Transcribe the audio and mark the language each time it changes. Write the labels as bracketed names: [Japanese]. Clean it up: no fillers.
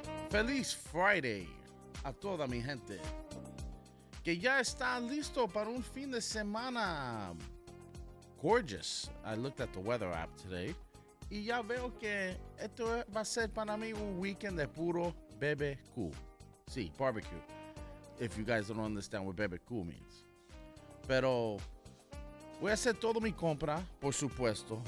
[Spanish] Feliz Friday a toda mi gente que ya está listo para un fin de semana. Gorgeous. [English] I looked at the weather app today. [Spanish] Y ya veo que esto va a ser para mí un weekend de puro BBQ. Sí, barbecue. [English] If you guys don't understand what BBQ means. [Spanish] Pero voy a hacer toda mi compra, por supuesto.